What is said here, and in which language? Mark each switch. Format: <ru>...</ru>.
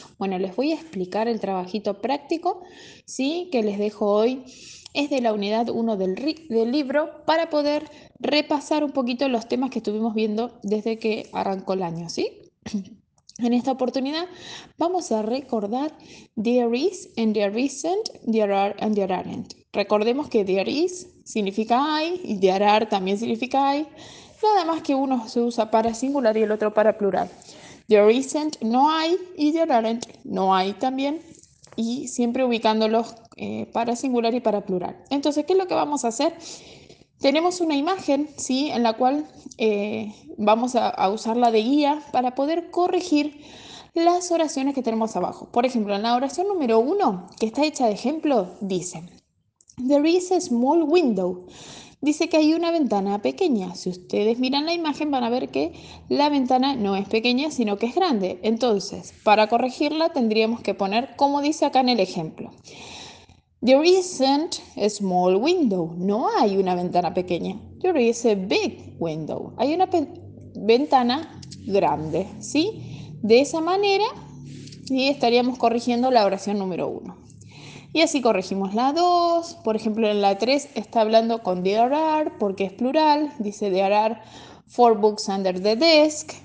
<es>Bueno, les voy a explicar el trabajito práctico, ¿sí? Que les dejo hoy. Es de la unidad 1 del libro para poder repasar un poquito los temas que estuvimos viendo desde que arrancó el año, ¿sí? En esta oportunidad vamos a recordar</es> <en>there is and there isn't, there are and there aren't.</en> <es>Recordemos que there is significa hay y there are también significa hay. Nada más que uno se usa para singular y el otro para plural. There isn't, no hay, y there aren't, no hay también, y siempre ubicándolos para singular y para plural. Entonces, ¿qué es lo que vamos a hacer? Tenemos una imagen, ¿sí? En la cual vamos a usarla de guía para poder corregir las oraciones que tenemos abajo. Por ejemplo, en la oración número 1, que está hecha de ejemplo, dice:</es> <en>There is a small window.</en> <es>Dice que hay una ventana pequeña. Si ustedes miran la imagen, van a ver que la ventana no es pequeña, sino que es grande. Entonces, para corregirla, tendríamos que poner como dice acá en el ejemplo.</es> <en>There isn't a small window.</en> <es>No hay una ventana pequeña.</es> <en>There is a big window.</en> <es>Hay una ventana grande, ¿sí? De esa manera, y estaríamos corrigiendo la oración número 1. Y así corregimos la 2. Por ejemplo, en la 3 está hablando con there are porque es plural. Dice</es> <en>there are four books under the desk.</en>